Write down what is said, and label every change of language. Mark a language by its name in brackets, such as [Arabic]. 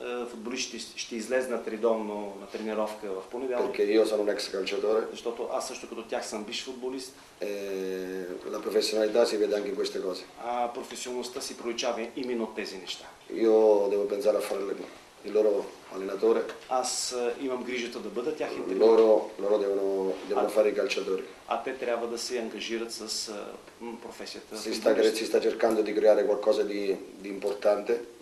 [Bulgarian] Футболистите ще излезнат редовно на тренировка в понеделник. Защото аз също като тях съм бивш футболист. [Italian] La professionalità si vede anche in queste cose. [Bulgarian] А професионалността си проличава именно от тези неща. [Italian] Io devo pensare a fare il loro allenatore. [Bulgarian] Аз имам грижата да бъда тяхен тренер. [Italian] Loro devono fare i calciatori. [Bulgarian] А те трябва да се ангажират с професията. [Italian] Si sta cercando di creare qualcosa di importante.